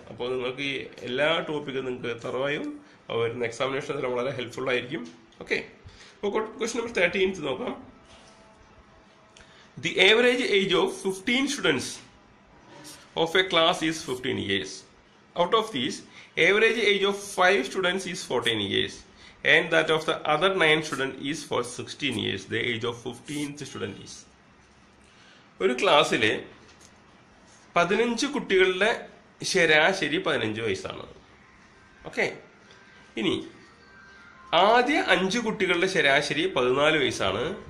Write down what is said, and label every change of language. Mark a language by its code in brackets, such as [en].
[ml] അപ്പോൾ നിങ്ങൾക്ക് ഈ എല്ലാ ടോപ്പിക്കും നിങ്ങൾക്ക് തറവായും വരുന്ന എക്സാമിനേഷൻ അതിൽ വളരെ ഹെൽപ്ഫുൾ ആയിരിക്കും. ഓക്കെ, അപ്പോൾ ക്വസ്റ്റ്യൻ നമ്പർ 13th നോക്കാം. [en] The average age of 15 students of a class is 15 years. Out of these average age of 5 students is 14 years. And that of the other 9 students is for 16 years. The age of 15th student is. [ml] ഒരു ക്ലാസ്സിലെ 15 കുട്ടികളുടെ ശരാശരി 15 വയസ്സാണ്. Okay, ഇനി ആദ്യ 5 കുട്ടികളുടെ ശരാശരി 14 വയസ്സാണ്.